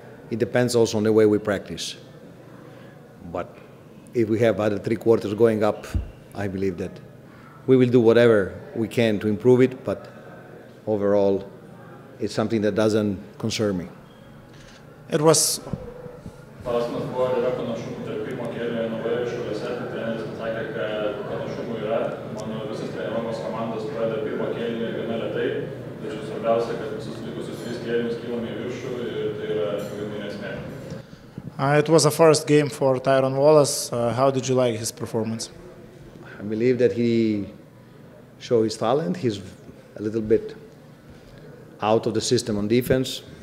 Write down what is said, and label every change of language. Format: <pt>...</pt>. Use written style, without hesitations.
<en>It depends also on the way we practice. But if we have other three quarters going up, I believe that we will do whatever we can to improve it. But overall, it's something that doesn't concern me. It was</en> <lt>klausimas buvo yra panašumų tarp pirmo kėlinio Novoje Šiauliuose, tai treneris atsakė, kad panašumų yra. Mano visas treniruojamos komandos pradeda pirmo kėlinio gana retai, tačiau svarbiausia, kad visus likusius tris kėlinius kilome į viršų ir tai yra pagrindinė esmė.</lt> <en>It was a first game for Tyron Wallace. How did you like his performance? I believe that he showed his talent. He's a little bit out of the system on defense.</en>